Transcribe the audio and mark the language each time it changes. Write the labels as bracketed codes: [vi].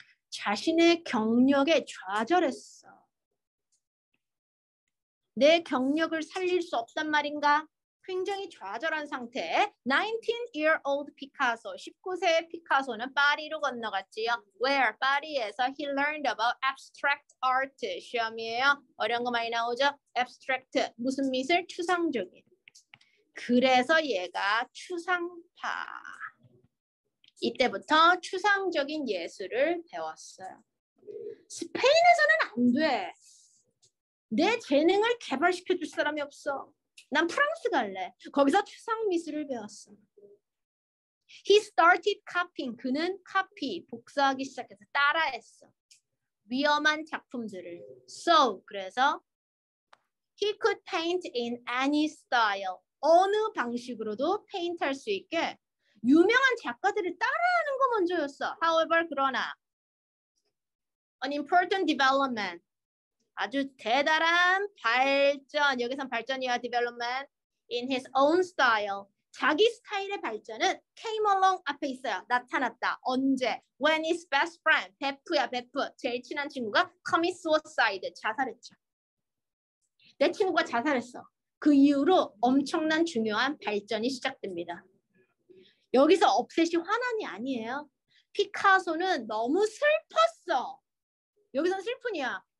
[ko] 자신의 경력에 좌절했어. 내 경력을 살릴 수 없단 말인가? 굉장히 좌절한 상태에 [en] 19-year-old Picasso, [ko] 19세의 피카소는 파리로 건너갔지요. [en] Where? [ko] 파리에서 [en] he learned about abstract art. [ko] 시험이에요. 어려운 거 많이 나오죠? Abstract. 무슨 미술? 추상적인. 그래서 얘가 추상파. 이때부터 추상적인 예술을 배웠어요. 스페인에서는 안 돼. 내 재능을 개발시켜줄 사람이 없어. 난 프랑스 갈래. 거기서 추상 미술을 배웠어. [en] He started copying. [ko] 그는 copy, 복사하기 시작해서 따라했어. 위험한 작품들을. [en] So, [ko] 그래서 [en] he could paint in any style. [ko] 어느 방식으로도 페인트 할 수 있게 유명한 작가들을 따라하는 거 먼저였어. [en] However, [ko] 그러나 [en] an important development. [ko] 아주 대단한 발전, 여기선 발전이야, development. [en] In his own style. [ko] 자기 스타일의 발전은 [en] came along [ko] 앞에 있어요. 나타났다. 언제? [en] When his best friend, [ko] 베프야, 베프. 제일 친한 친구가 [en] commit suicide, [ko] 자살했죠. 내 친구가 자살했어. 그 이후로 엄청난 중요한 발전이 시작됩니다. 여기서 업셋이 화난이 아니에요. 피카소는 너무 슬펐어. 여기선 슬픈이야.